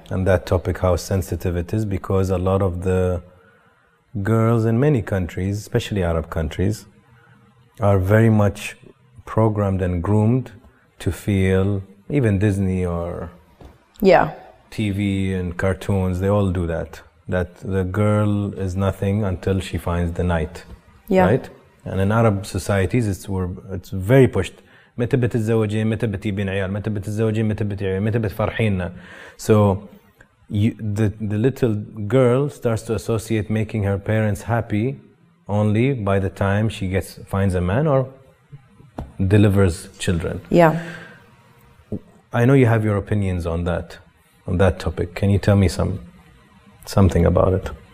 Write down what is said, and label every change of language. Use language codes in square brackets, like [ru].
[en] And that topic, how sensitive it is, because a lot of the girls in many countries, especially Arab countries, are very much programmed and groomed to feel, even Disney or TV and cartoons, they all do that. That the girl is nothing until she finds the knight, right? And in Arab societies, it's very pushed. [ar] متى بتتزوجي متى بتجيبين عيال متى بتتزوجي متى بتجيبين عيال متى بتفرحينا. [en] So the little girl starts to associate making her parents happy only by the time she gets finds a man or delivers children. Yeah. I know you have your opinions on that, on that topic. Can you tell me something about it?